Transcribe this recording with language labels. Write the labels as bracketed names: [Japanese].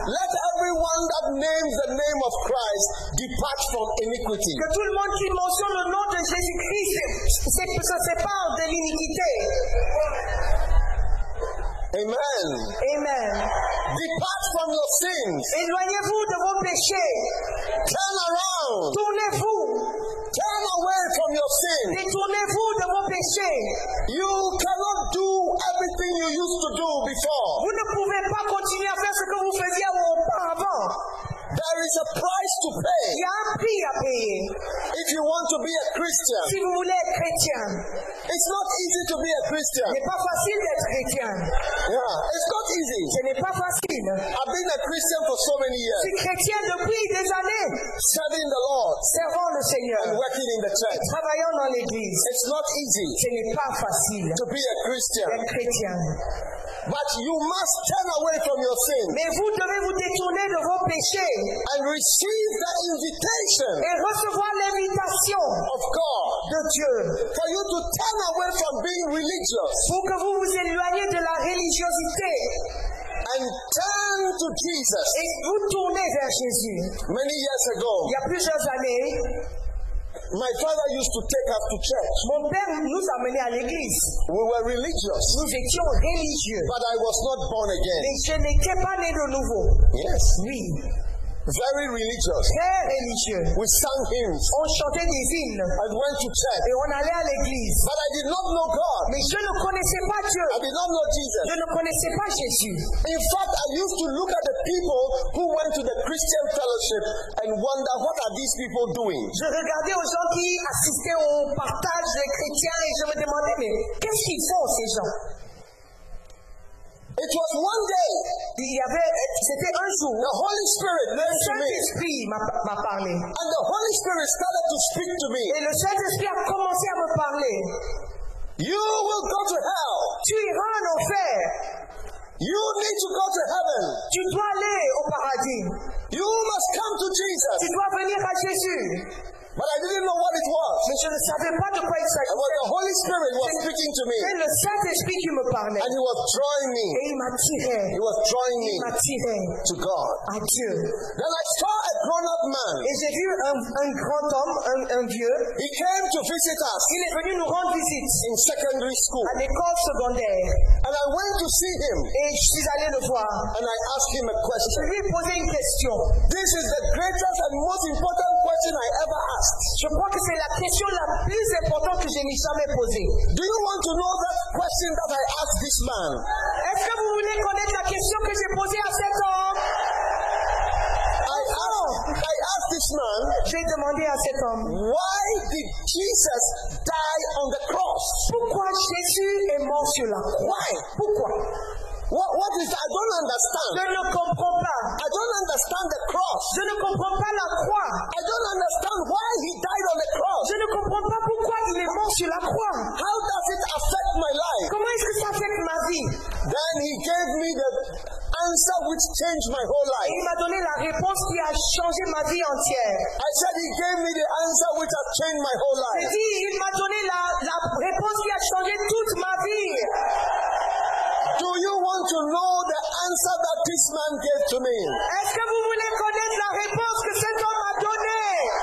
[English] let everyone that names the name of Christ depart from iniquity. [French] Que tout le monde qui mentionne le nom de Jésus-Christ se sépare de l'iniquité. [English] Amen. [French] Amen. [English] Depart from your sins. [French] Éloignez-vous de vos péchés. [English] Turn around. [French] Tournez-vous. [English] Turn away from your sin. [French] Détournez-vous de vos péchés. [English] You cannot do everything you used to do before. [French] Vous ne pouvez pas continuer à faire ce que vous faisiez auparavant. [English] There is a price to pay. [French] Il y a un prix à payer. [English] If you want to be a Christian. [French] Si vous voulez être chrétien. [English] It's not easy to be a Christian. [French] Ce n'est pas facile d'être chrétien. [English] Yeah, it's not easy. [French] Ce n'est pas facile. [English] I've been a Christian for so many years. [French] Je suis chrétien depuis des années. [English] Serving the Lord. [French] Servant le Seigneur. [English] And working in the church. [French] Et travaillant dans l'église. [English] It's not easy. [French] Ce n'est pas facile. [English] To be a Christian. [French] D'être chrétien. [English] But you must turn away from your sins. [French] Mais vous devez vous détourner de vos péchés. [English] And receive that invitation. [French] Et recevoir l'invitation. [English] Of God. [French] De Dieu. [English] For you to turn away from being religious. [French] Pour que vous vous éloigniez de la religiosité. [English] And turn to Jesus. [French] Et vous tournez vers Jésus. [English] Many years ago. [French] Il y a plusieurs années. [English] My father used to take us to church. [French] Mon père nous amenait à l'église. [English] We were religious. [French] Nous étions religieux. [English] But I was not born again. [French] Mais je n'étais pas né de nouveau. [English] Yes. [French] Oui. [English] Very religious. [French] Très religieux. [English] We sang hymns. [French] On chantait des hymnes. [English] I went to church. [French] Et on allait à l'église. [English] But I did not know God. [French] Mais je ne connaissais pas Dieu. [English] I did not know Jesus. [French] Je ne connaissais pas Jésus. [English] In fact, I used to look at the people who went to the Christian fellowship and wonder, what are these people doing? [French] Je regardais aux gens qui assistaient au partage des chrétiens et je me demandais, mais qu'est-ce qu'ils font ces gens? [English] It was one day. [French] Il y avait, c'était un jour. [English] The Holy Spirit [French] le Saint-Esprit m'a parlé. [English] And the Holy Spirit started to speak to me. [French] Et le Saint-Esprit a commencé à me parler. [English] You will go to hell. [French] Tu iras en enfer. [English] You need to go to heaven. [French] Tu dois aller au paradis. [English] You must come to Jesus. [French] Tu dois venir à Jésus. [English] But I didn't know what it was. [French] Mais je ne savais pas de quoi il s'agissait. [English] But the Holy Spirit was speaking to me. [French] Et le Saint-Esprit qui me parlait. [English] And he was drawing me. [French] Et il m'attirait. [English] He was drawing me. [French] Il m'attirait. [English] To God. [French] À Dieu. [English] Then I saw a grown-up man. [French] Et j'ai vu un grand homme, un vieux. [English] He came to visit us. [French] Il est venu nous rendre visite. [English] In secondary school. [French] À l'école secondaire. [English] And I went to see him. [French] Et je suis allé le voir. [English] And I asked him a question. [French] Je lui ai posé une question. [English] This is the greatest and most important question I ever asked. [French] Je crois que c'est la question la plus importante que je n'ai jamais posée. [English] Do you want to know that question that I asked this man? [French] Est-ce que vous voulez connaître la question que j'ai posée à cet homme? [English] I asked this man. [French] J'ai demandé à cet homme. [English] Why did Jesus die on the cross? [French] Pourquoi Jésus est mort sur la croix? [English] Why? [French] Pourquoi? [English] What is that? I don't understand. [French] Je ne comprends pas. [English] I don't understand the cross. [French] Je ne comprends pas la croix. [English] I don't understand why he died on the cross. [French] Je ne comprends pas pourquoi il est mort sur la croix. [English] How does it affect my life? [French] Comment est-ce que ça affecte ma vie? [English] Then he gave me the answer which changed my whole life. [French] Il m'a donné la réponse qui a changé ma vie entière. [English] I said he gave me the answer which has changed my whole life. [French] J'ai dit, il m'a donné la réponse qui a changé toute ma vie. [English] Do you want to know the answer that this man gave to me? [French] Est-ce que vous voulez connaître la réponse que cet homme a donnée?